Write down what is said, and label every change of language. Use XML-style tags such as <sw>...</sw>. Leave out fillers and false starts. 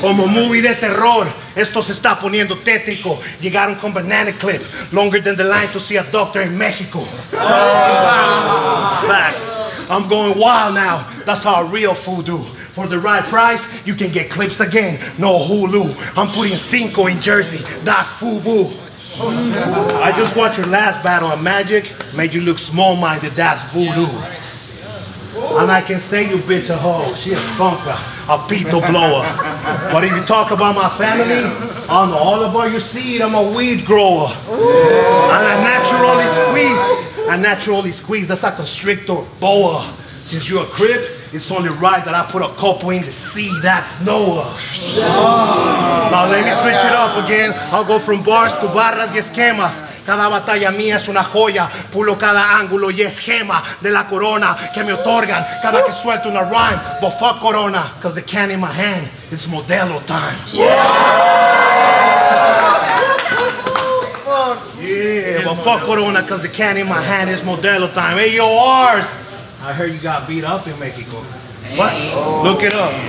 <es>Como movie de terror, esto se está poniendo tétrico.</es> <en>Llegaron con banana clip, longer than the line to see a doctor in Mexico. Facts. I'm going wild now, that's how a real fool do. For the right price, you can get clips again. No Hulu. I'm putting Cinco in jersey, that's FUBU. I just watched your last battle of magic. Made you look small-minded, that's voodoo. And I can say you bitch a hoe. She a skunker, a pito blower. But if you talk about my family, I know all about your seed, I'm a weed grower. And I naturally squeeze. I naturally squeeze, that's a constrictor boa. Since you're a crib, it's only right that I put a couple in the sea, that's Noah. Now let me switch it up again. I'll go from bars to barras y esquemas.</en> <es>Cada batalla mía es una joya. Pulo cada ángulo y es gema de la corona que me otorgan cada que suelto una rhyme.</es> <en>But fuck corona, cause the can in my hand, it's Modelo time. Yeah, but fuck corona, cause the can in my hand, it's Modelo time. Hey, yo, ours. I heard you got beat up in Mexico. What? Oh, look it up.</en>